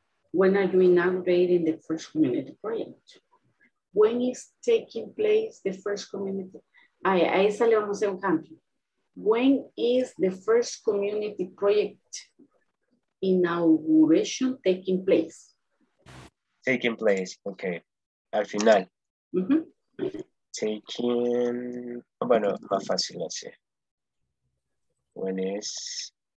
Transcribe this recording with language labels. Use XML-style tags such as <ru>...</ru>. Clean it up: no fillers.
<en>When are you inaugurating the first community project? When is taking place the first community?</en> <es>Ay, a esa le vamos a hacer un cambio.</es> <en>When is the first community project inauguration taking place? Taking place, okay.</en> <es>Al final. Bueno, más fácil así.</es> <en>When is...</en>